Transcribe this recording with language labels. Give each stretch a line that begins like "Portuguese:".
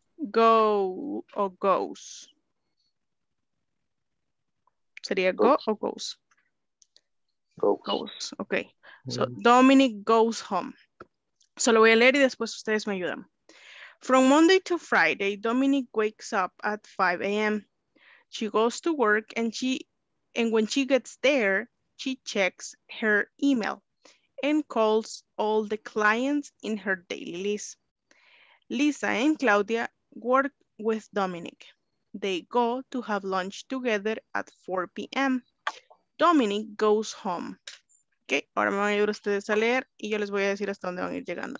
English: Go or goes.
Spanish: Sería
English: goes. Go or goes. Goes. Ok. So, Dominic goes home.
Spanish: So, lo voy a leer y después ustedes me ayudan.
English: From Monday to Friday, Dominic wakes up at 5 a.m. She goes to work and when she gets there, she checks her email and calls all the clients in her daily list. Lisa and Claudia work with Dominic. They go to have lunch together at 4 p.m. Dominic goes home.
Spanish: Ok, ahora me van a ayudar ustedes a leer y yo les voy a decir hasta dónde van a ir llegando.